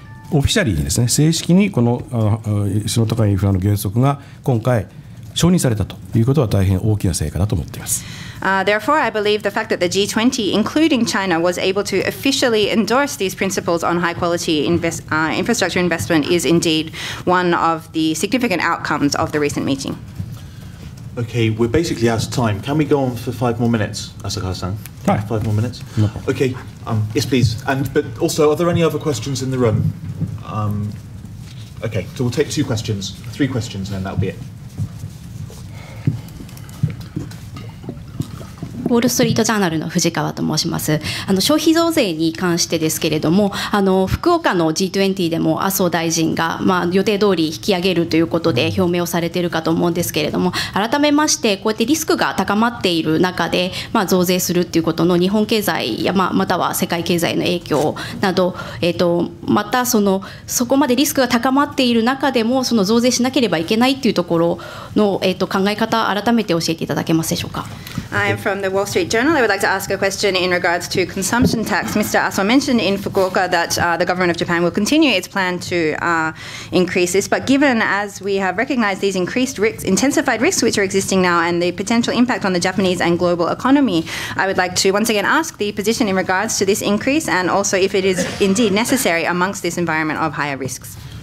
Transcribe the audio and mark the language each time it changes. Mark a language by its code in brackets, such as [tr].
[ja] オフィシャリーにですね、正式にこの質の高いインフラの原則が今回承認されたということは大変大きな成果だと思っています。 [en] Therefore, I believe the fact that the G20, including China, was able to officially endorse these principles on high-quality infrastructure investment is indeed one of the significant outcomes of the recent meeting. Okay, we're basically out of time. Can we go on for five more minutes, Asakawa-san? Hi. Five more minutes? No. Okay, yes, please. And, but also, are there any other questions in the room? Okay, so we'll take two questions, three questions, and then that'll be it. [ja] ウォールストリートジャーナルの藤川と申します。消費増税に関してですけれども、福岡の G20 でも麻生大臣が、まあ、予定通り引き上げるということで表明をされているかと思うんですけれども、改めましてこうやってリスクが高まっている中で、まあ、増税するということの日本経済や、まあ、または世界経済の影響など、またそこまでリスクが高まっている中でもその増税しなければいけないというところの、考え方改めて教えていただけますでしょうか。 [en] I am from the Wall Street Journal. I would like to ask a question in regards to consumption tax. Mr. Aso mentioned in Fukuoka that the government of Japan will continue its plan to increase this. But given, as we have recognized, these increased risks, intensified risks which are existing now and the potential impact on the Japanese and global economy, I would like to once again ask the position in regards to this increase and also if it is indeed necessary amongst this environment of higher risks.